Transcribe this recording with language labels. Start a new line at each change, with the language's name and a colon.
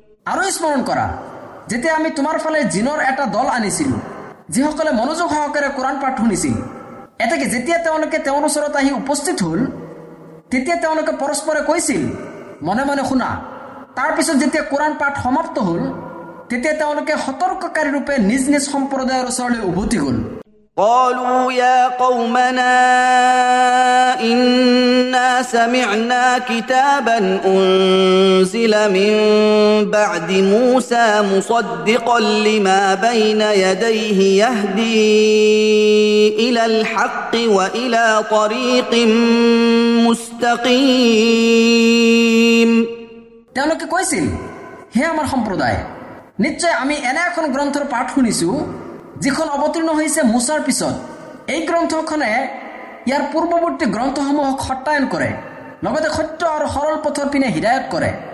Assamese: আৰু স্মৰণ কৰা যেতিয়া আমি তোমাৰ ফালে জিনৰ এটা দল আনিছিলো যিসকলে মনোযোগ সহকাৰে কোৰাণ পাঠ শুনিছিল এতেকে যেতিয়া তেওঁলোকে তেওঁৰ ওচৰত আহি উপস্থিত হ'ল তেতিয়া তেওঁলোকে পৰস্পৰে কৈছিল মনে মনে শুনা তাৰপিছত যেতিয়া কোৰাণ পাঠ সমাপ্ত হ'ল তেতিয়া তেওঁলোকে সতৰ্ককাৰী ৰূপে নিজ নিজ সম্প্ৰদায়ৰ ওচৰলৈ উভতি গ'ল
Arabic: قالوا يا قومنا إنا سمعنا كتابا أنزل من بعد موسى مصدقا لما بين يديه يهدي إلى الحق وإلى طريق مستقيم.
Assamese: তেওঁলোকে কৈছিল, হে আমাৰ সম্প্ৰদায়, নিশ্চয় আমি এনে এখন গ্ৰন্থৰ পাঠ শুনিছো যিখন অৱতীৰ্ণ হৈছে মুছাৰ পিছত। এই গ্ৰন্থখনে ইয়াৰ পূৰ্ৱৱৰ্তী গ্ৰন্থসমূহক সত্যায়ন কৰে, লগতে সত্য আৰু সৰল পথৰ পিনে হিদায়ত কৰে।